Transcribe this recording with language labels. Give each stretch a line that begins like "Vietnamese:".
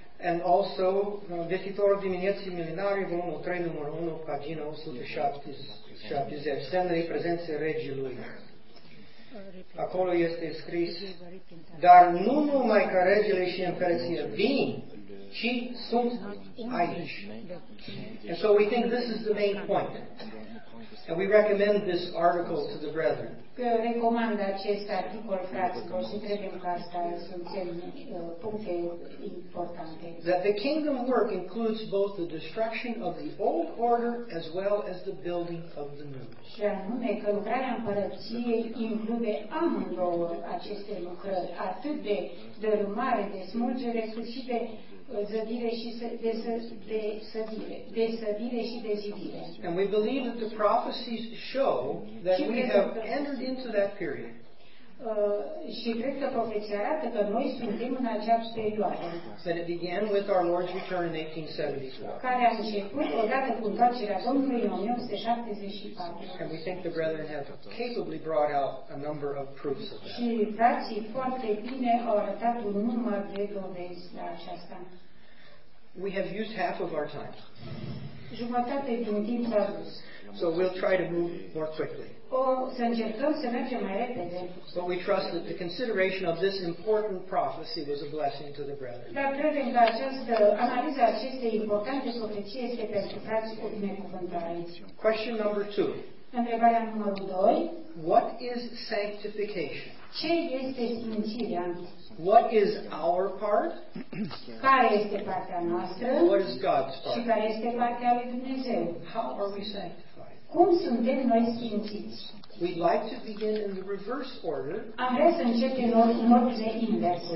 English: And also,
Romanian: Vestitorul Dimineții Milenare, volumul 3, numărul 1, pagina 170, semnele prezenței Regiului. Acolo este scris, dar nu numai că regele și împărăția vin, ci sunt aici.
English: And so we think this is the main point. And we recommend this article to the brethren.
Romanian: Că recomandă acest articol fraților și credem că asta sunt puncte importante.
English: That the kingdom work includes both the destruction of the old order as well as the building of the new.
Romanian: Și anume că lucrarea împărăției include amândouă aceste lucrări, atât de dărâmare, de smulgere, cât și de zădire și de sădire și de zidire.
English: And we believe that the prophecies show that we have entered into that period.
Romanian: Și cred că profeția arată că noi suntem în această perioadă.
English: That it began with our Lord's return in 1874.
Romanian: Care a început odată cu întoarcerea Domnului în 1874.
English: And we think the brethren have capably brought out a number of proofs of that.
Romanian: Și frații foarte bine au arătat un număr de dovezi la aceasta.
English: We have used half of our time.
Romanian: Jumătate din timp a dus.
English: So we'll try to move more quickly.
Romanian: O să încercăm să mergem mai repede.
English: But we trust that the consideration of this important prophecy was a blessing to the brethren.
Romanian: Dar credem că această analiză acestei importante profeție este pentru frații o binecuvântare.
English: Question number two.
Romanian: Întrebarea numărul doi.
English: What is sanctification?
Romanian: Ce este sfințirea?
English: What is our part?
Romanian: Care este partea noastră?
English: What is God's part?
Romanian: Și care este partea lui Dumnezeu?
English: How are we sanctified?
Romanian: Cum suntem noi sfințiți?
English: We'd like to begin in the reverse order.
Romanian: Am vrea să începem în ordine inversă.